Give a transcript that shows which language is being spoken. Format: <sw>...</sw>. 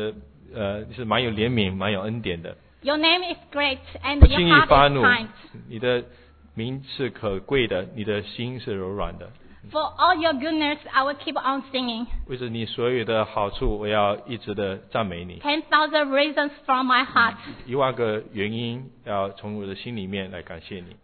<zh>你的恩典，你的爱是蛮有怜悯，蛮有恩典的。</zh> <en>Your name is great, and your heart is kind.</en> <zh>你的名是可贵的，你的心是柔软的。</zh> <en>For all your goodness, I will keep on singing.</en> <zh>为着你所有的好处，我要一直的赞美你。</zh> <en>10,000 reasons from my heart.</en> <zh>10,000个原因要从我的心里面来感谢你。</zh>